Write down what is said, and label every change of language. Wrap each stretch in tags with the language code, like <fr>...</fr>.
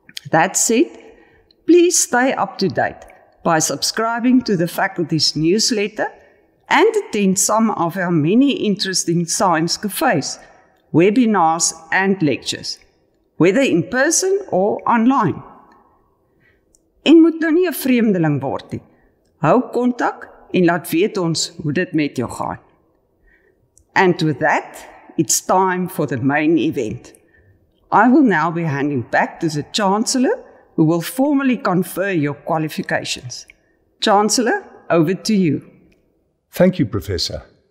<en>That said, please stay up to date by subscribing to the faculty's newsletter and attend some of our many interesting science cafes, webinars, and lectures, whether in person or online.</en> <af>En moet nou nie 'n vreemdeling word nie. Hou kontak en laat weet ons hoe dit met jou gaan.</af> <en>And with that, it's time for the main event. I will now be handing back to the Chancellor, who will formally confer your qualifications. Chancellor, over to you. Thank you, Professor.</en>